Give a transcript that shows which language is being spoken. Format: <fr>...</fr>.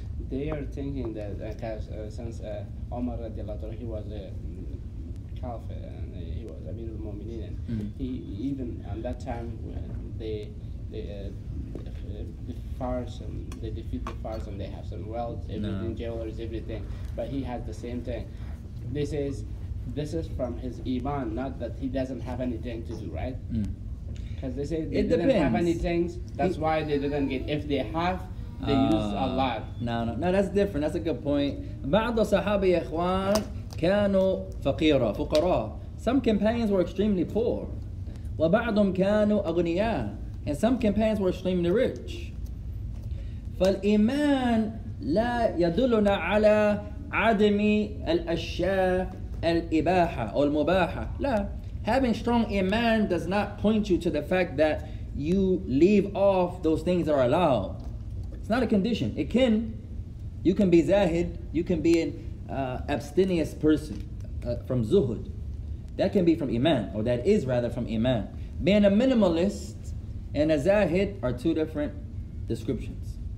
<en>They are thinking that, since Omar radiallahu anhu, he was a caliph, and he was Amir al-Mu'mineen, and he even at that time, when they defeat the Fars, and they have some wealth, everything, jewelers, everything, but he had the same thing. This is from his iman, not that he doesn't have anything to do, right? Because they say they didn't have any things, that's why they didn't get. If they have, they use a lot. No, that's different. That's a good point.</en> <ar>بعض الصحابة إخوان كانوا فقيرة فقراء.</ar> <en>Some companions were extremely poor.</en> <ar>وبعضهم كانوا أغنياء.</ar> <en>And some companions were extremely rich.</en> <ar>فالإيمان لا يدلنا على عدم الأشياء الإباحة أو المباحة. لا.</ar> <en>Having strong iman does not point you to the fact that you leave off those things that are allowed. It's not a condition. It can. You can be zahid. You can be an abstinious person from zuhud. That can be from iman, or that is rather from iman. Being a minimalist and a zahid are two different descriptions.</en>